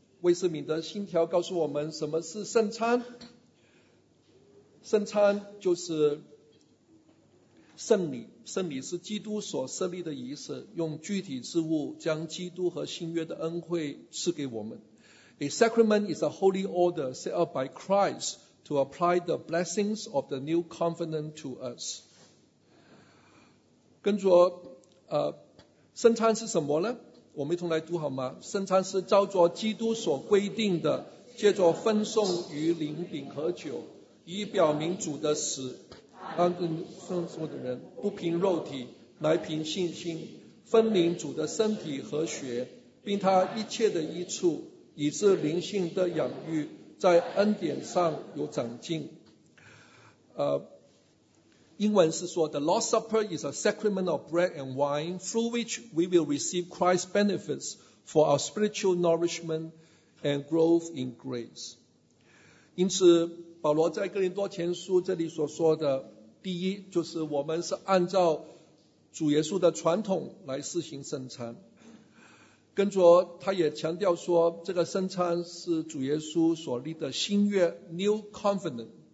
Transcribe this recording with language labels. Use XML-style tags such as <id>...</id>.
<zh>威斯敏的信条告诉我们什么是圣餐。圣餐就是圣礼，圣礼是基督所设立的仪式，用具体之物将基督和新约的恩惠赐给我们。</zh> <en>A sacrament is a holy order set up by Christ to apply the blessings of the new covenant to us.</en> <zh>跟着圣餐是什么呢？我们一同来读好吗？圣餐是照着基督所规定的，借着分送于灵饼和酒，以表明主的死，安顿圣所的人不凭肉体，乃凭信心分领主的身体和血，并他一切的益处，以致灵性的养育，在恩典上有长进。英文是说</zh> <en>The Lord's Supper is a sacrament of bread and wine through which we will receive Christ's benefits for our spiritual nourishment and growth in grace.</en> <zh>因此保罗在哥林多前书这里所说的第一就是我们是按照主耶稣的传统来施行圣餐。跟着他也强调说这个圣餐是主耶稣所立的新约 New Covenant。</zh>